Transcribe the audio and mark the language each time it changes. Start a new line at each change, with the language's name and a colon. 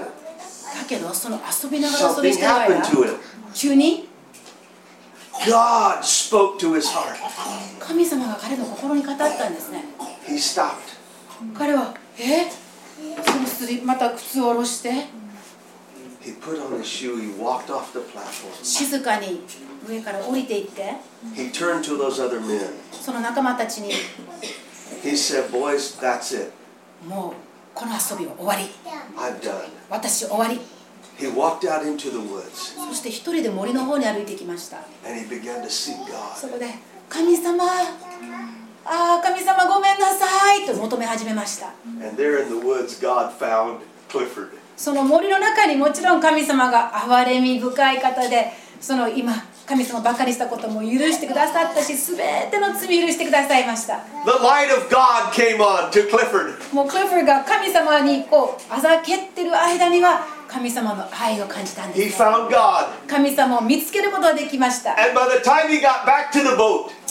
Japanese: だけどその遊びながら遊びしてる間に急に
English: God spoke to his heart.
Japanese: 神様が彼の心に語ったんですね。
English: He stopped.
Japanese: 彼は、そのスリッパ、また靴を下ろして、
English: He put on his shoe, he walked off the platform.
Japanese: 静かに上から降りていって、
English: He turned to those other men.
Japanese: その仲間たちに、
English: He said, boys, that's it.
Japanese: もうこの遊びは終わり。
English: I've done.
Japanese: 私終わり。
English: He walked out into the woods.
Japanese: そして一人で森の方に歩いてきました。
English: And he began to seek God.
Japanese: そこで、神様、ああ神様ごめんなさいと求め始めました。
English: And there in the woods, God found Clifford.
Japanese: その森の中にもちろん神様が憐れみ深い方で、その今神様ばかりしたことも許してくださったし、すべての罪許してくださいました。
English: The light of God came on to Clifford.
Japanese: もうクリフォードが神様にこうあざけってる間には神様の愛を感じたんです、
English: ね、He found God.
Japanese: 神様を見つけることができました。
English: And by the time he got back to the boat,